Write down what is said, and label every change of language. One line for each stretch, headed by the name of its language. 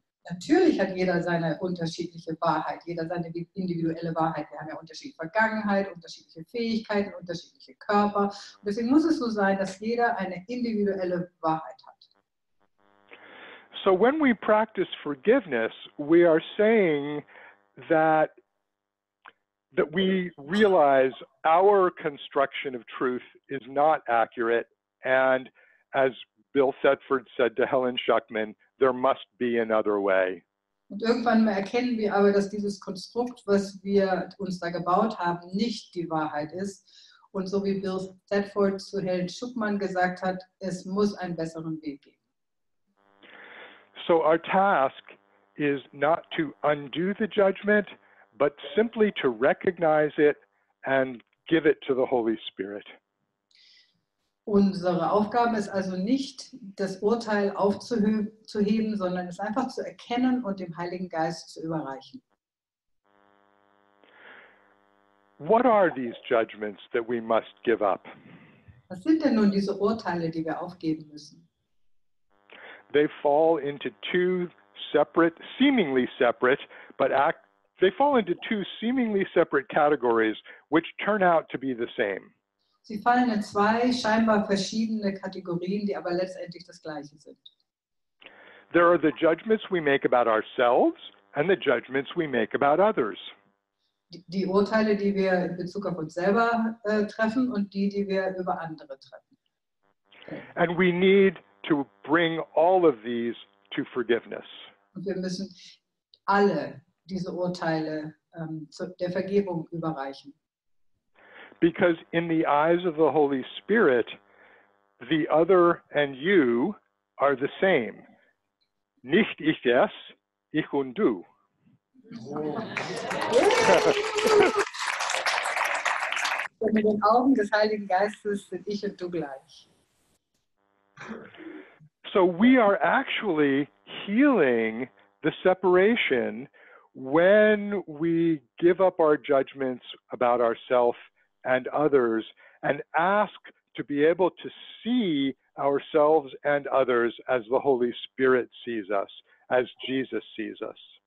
German: Natürlich hat jeder seine unterschiedliche Wahrheit, jeder seine individuelle Wahrheit. Wir haben ja unterschiedliche Vergangenheit, unterschiedliche Fähigkeiten, unterschiedliche Körper. Und deswegen muss es so sein, dass jeder eine individuelle Wahrheit hat.
English: So when we practice forgiveness, we are saying that we realize our construction of truth is not accurate. And as Bill Thetford said to Helen Schuckman, there must be another way.
German: Und irgendwann erkennen wir aber, dass dieses Konstrukt, was wir uns da gebaut haben, nicht die Wahrheit ist. Und so wie Bill Thetford zu Helen Schuckman gesagt hat, es muss einen besseren Weg geben.
English: So our task is not to undo the judgment, but simply to recognize it and give it to the Holy Spirit.
German: Unsere Aufgabe ist also nicht, das Urteil aufzuheben, sondern es einfach zu erkennen und dem Heiligen Geist zu überreichen.
English: What are these judgments that we must give up?
German: Was sind denn nun diese Urteile, die wir aufgeben müssen?
English: They fall into two separate, seemingly separate, but they fall into two seemingly separate categories, which turn out to be the same.
German: Sie fallen in zwei scheinbar verschiedene Kategorien, die aber letztendlich das gleiche sind.
English: There are the judgments we make about ourselves and the judgments we make about others.
German: Die Urteile, die wir in Bezug auf uns selber treffen und die, die wir über andere treffen.
English: And we need to bring all of these to forgiveness.
German: Und wir müssen alle diese Urteile der Vergebung überreichen.
English: Because in the eyes of the Holy Spirit, the other and you are the same.
German: Nicht ich es, ich und du. Mit den Augen des Heiligen Geistes sind ich und du gleich.
English: So we are actually healing the separation when we give up our judgments about ourselves and others and ask to be able to see ourselves and others as the Holy Spirit sees us, as Jesus sees us.